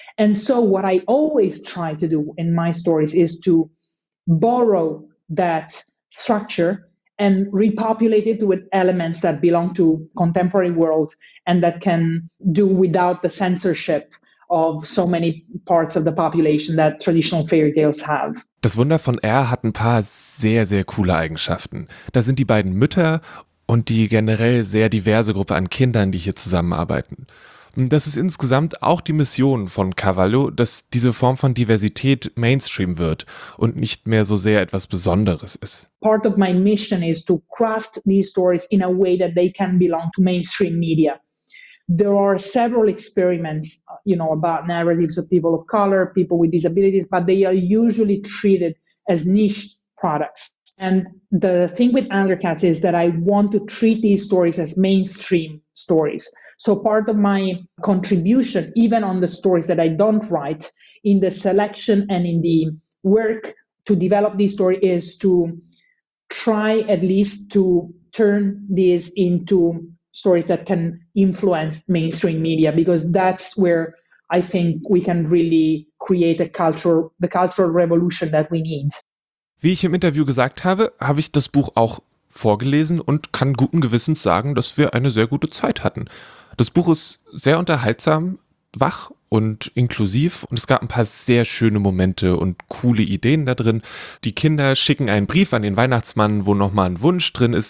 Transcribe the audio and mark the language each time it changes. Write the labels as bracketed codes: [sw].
[en] And so what I always try to do in my stories is to borrow that structure and repopulate it with elements that belong to contemporary world and that can do without the censorship of so many parts of the population that traditional fairy tales have. [de] Das Wunder von R hat ein paar sehr, sehr coole Eigenschaften. Da sind die beiden Mütter und die generell sehr diverse Gruppe an Kindern, die hier zusammenarbeiten. Das ist insgesamt auch die Mission von Cavallo, dass diese Form von Diversität Mainstream wird und nicht mehr so sehr etwas Besonderes ist. [en] Part of my mission is to craft these stories in a way that they can belong to mainstream media. There are several experiments, you know, about narratives of people of color, people with disabilities, but they are usually treated as niche products. And the thing with Undercats is that I want to treat these stories as mainstream stories. So part of my contribution, even on the stories that I don't write, in the selection and in the work to develop this story, is to try at least to turn these into stories that can influence mainstream media, because that's where I think we can really create the cultural revolution that we need. [de] Wie ich im Interview gesagt habe, habe ich das Buch auch vorgelesen und kann guten Gewissens sagen, dass wir eine sehr gute Zeit hatten. Das Buch ist sehr unterhaltsam, wach und inklusiv und es gab ein paar sehr schöne Momente und coole Ideen da drin. Die Kinder schicken einen Brief an den Weihnachtsmann, wo nochmal ein Wunsch drin ist.